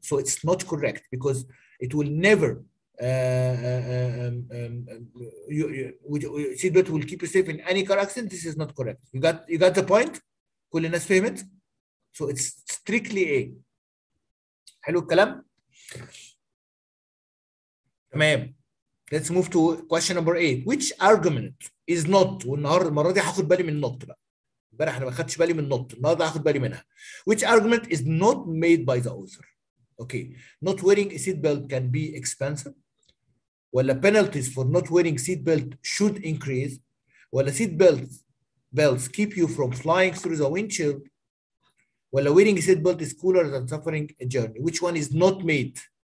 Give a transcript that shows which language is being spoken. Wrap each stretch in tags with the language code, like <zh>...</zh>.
<en>So it's not correct because it will never, seatbelt will keep you safe in any car accident. This is not correct. You got the point? Kulinas famous. So it's strictly A.</en> <ar>حلو الكلام؟ تمام.</ar> <en>Let's move to question number 8. Which argument is not,</en> <ar>والنهار المرة دي هاخد بالي من النقط بقى. امبارح انا ما خدتش بالي من النقط، النهار ده هاخد بالي منها.</ar> <en>Which argument is not made by the author? Okay. Not wearing a seatbelt can be expensive. ولا penalties for not wearing seatbelt should increase. ولا seatbelts keep you from flying through the windshield. ولا wearing a seatbelt is cooler than suffering a journey. Which one is not made?</en>